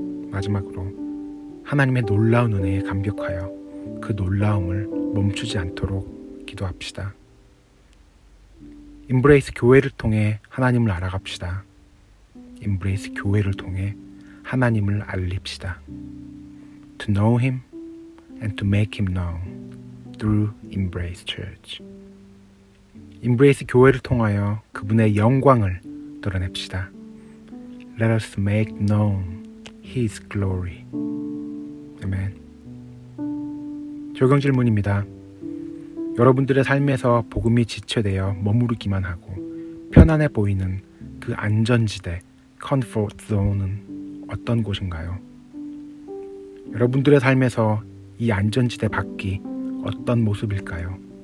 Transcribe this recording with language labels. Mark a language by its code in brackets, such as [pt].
[ko] 마지막으로, 하나님의 놀라운 은혜에 감격하여 그 놀라움을 멈추지 않도록 기도합시다. 인브레이스 교회를 통해 하나님을 알아갑시다. 인브레이스 교회를 통해 하나님을 알립시다. [en] To know Him and to make Him known through Embrace Church. [ko] 인브레이스 교회를 통하여 그분의 영광을 드러냅시다. [en] Let us make known His glory. [ko] 아멘. 적용 질문입니다. 여러분들의 삶에서 복음이 지체되어 머무르기만 하고 편안해 보이는 그 안전지대, 컴포트 존은 어떤 곳인가요? 여러분들의 삶에서 이 안전지대 밖이 어떤 모습일까요?